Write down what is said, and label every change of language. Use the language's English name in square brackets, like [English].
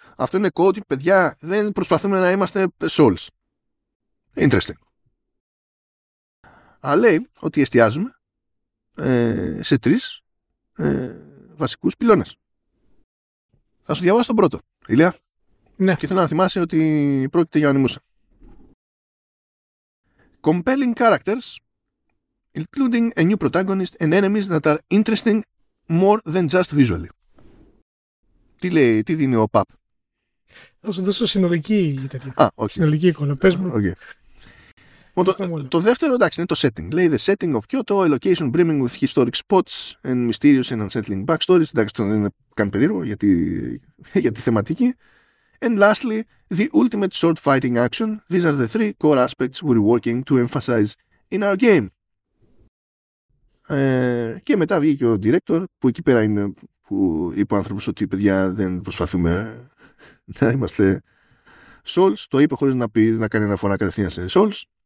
[Greek] Αυτό είναι κότι, παιδιά, δεν προσπαθούμε να είμαστε souls. Interesting. Αλλά λέει ότι εστιάζουμε σε τρεις βασικούς πυλώνες. Θα σου διαβάσω τον πρώτο, Ηλία. Ναι. Και θέλω να θυμάσαι ότι πρόκειται για Onimusha. [English] Compelling characters, including a new protagonist and enemies that are interesting more than just visually. [Greek] Τι λέει, τι δίνει ο Παπ. Θα σου δώσω συνολική τέτοια. Α, όχι. Συνολική εικόνα, πες μου. [English] Okay. [Greek] Well, το δεύτερο, εντάξει, είναι το setting. Λέει, [English] the setting of Kyoto, a location brimming with historic spots and mysterious and unsettling backstories. [Greek] Εντάξει, δεν είναι καν περίεργο για τη θεματική. [English] And lastly, the ultimate sword fighting action. These are the three core aspects we're working to emphasize in our game. [Greek] Και μετά βγήκε ο director, που εκεί πέρα είναι που είπε ο άνθρωπος ότι, παιδιά, δεν προσπαθούμε να είμαστε souls. Το είπε χωρίς να πει, να κάνει αναφορά κατευθείαν σε souls.